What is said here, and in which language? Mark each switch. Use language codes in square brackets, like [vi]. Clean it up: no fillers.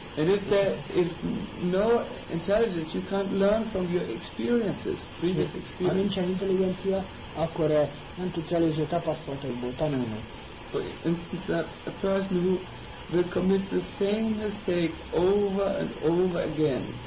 [en] And if there is no intelligence, you can't learn from your experiences, previous experiences. [hu] Ha nincsen intelligencia, akkor nem tudsz előző tapasztalatokból tanulni. [en] For instance, a person who will commit the same mistake over and over again.